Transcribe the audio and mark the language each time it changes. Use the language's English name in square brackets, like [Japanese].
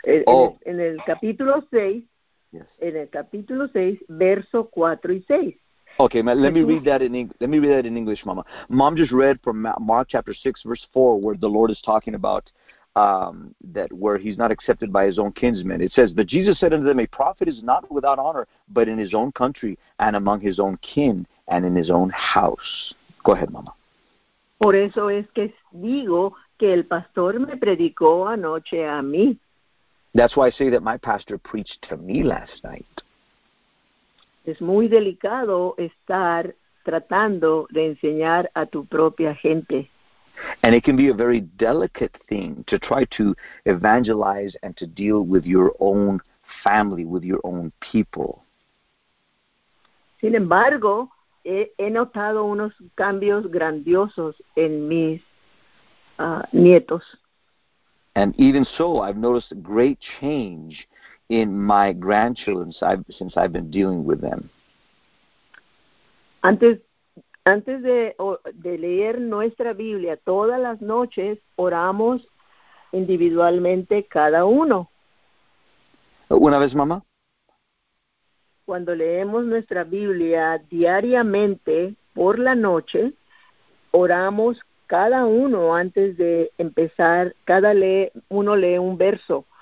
[Spanish] En el capítulo 6, en el capítulo 6, verso 4 y 6. [English] Okay, let me read that in English, Mama. Mom just read from Mark chapter 6, verse 4, where the Lord is talking about that where he's not accepted by his own kinsmen. It says, "But Jesus said unto them, A prophet is not without honor, but in his own country, and among his own kin, and in his own house." Go ahead, Mama. [Spanish] Por eso es que digo que el pastor me predicó anoche a mí. [English] That's why I say that my pastor preached to me last night. [Spanish] Es muy delicado estar tratando de enseñar a tu propia gente. [English] And it can be a very delicate thing to try to evangelize and to deal with your own family, with your own people. [Spanish] Sin embargo, he notado unos cambios grandiosos en mis nietos. [English] And even so, I've noticed a great change in my grandchildren since I've been dealing with them. [Spanish] Antes de leer nuestra Biblia, todas las noches oramos individualmente cada uno. ¿Una vez, mamá? Cuando leemos nuestra Biblia diariamente por la noche, oramos cada uno antes de empezar, uno lee un verso.